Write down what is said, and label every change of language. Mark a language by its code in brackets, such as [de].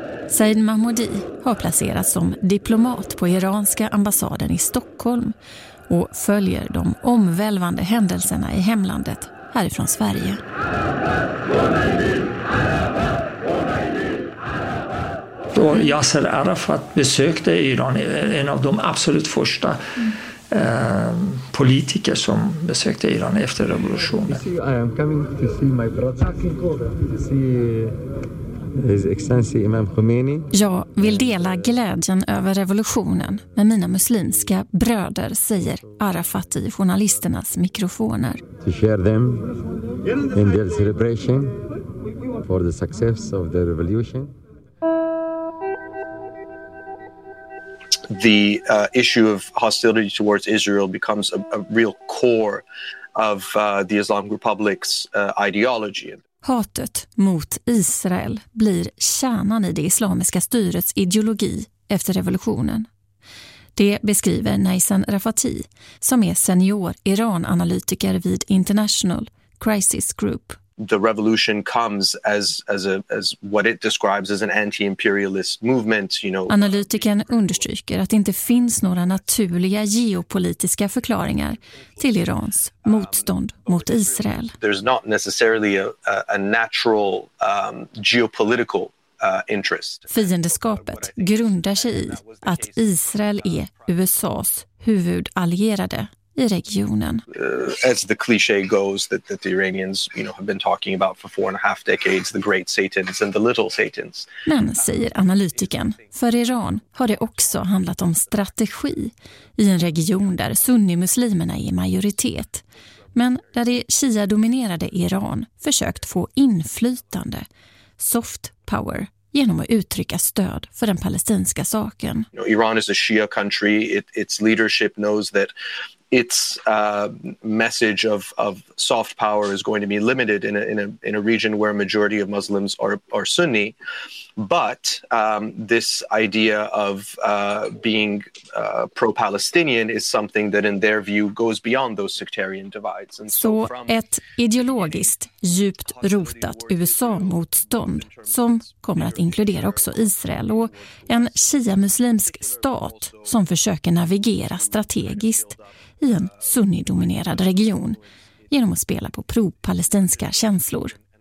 [sv] Said Mahmoudi har placerats som diplomat på iranska ambassaden i Stockholm och följer de omvälvande händelserna i hemlandet härifrån Sverige. Då Yasser Arafat besökte Iran, en av de absolut första politiker som besökte Iran efter revolutionen. [en] I am coming to see my brother, to see His Excellency Imam Khomeini. [sv] Jag vill dela glädjen över revolutionen med mina muslimska bröder, säger Arafat i journalisternas mikrofoner. [en] To share them in their celebration for the success of the revolution. The issue of hostility towards Israel becomes a real core of the Islamic Republic's ideology. [sv] Hatet mot Israel blir kärnan i det islamiska styrets ideologi efter revolutionen. Det beskriver Naysan Rafati, som är senior Iran-analytiker vid International Crisis Group. [en] The revolution comes as what it describes as an anti-imperialist movement, you know. [sv] Analytiken understryker att det inte finns några naturliga geopolitiska förklaringar till Irans motstånd mot Israel. [en] There's not necessarily a natural geopolitical interest. [sv] Fiendeskapet grundar sig i att Israel är USA:s huvudallierade i regionen. [en] As the cliche goes that the Iranians, you know, have been talking about for 4.5 decades, the great satans and the little satans. [sv] Men, säger analytiken, för Iran har det också handlat om strategi i en region där sunnimuslimerna är i majoritet, men där det shia-dominerade Iran försökt få inflytande, soft power, genom att uttrycka stöd för den palestinska saken. [en] You know, Iran is a shia country. Its leadership knows that its message of soft power is going to be limited in a region where a majority of Muslims are Sunni, but this idea of being pro-Palestinian is something that in their view goes beyond those sectarian divides. And so [sv] ett ideologiskt djupt rotat USA-motstånd som kommer att inkludera också Israel och en shia-muslimsk stat som försöker navigera strategiskt i en sunnidominerad region genom att spela på pro-palestinska känslor.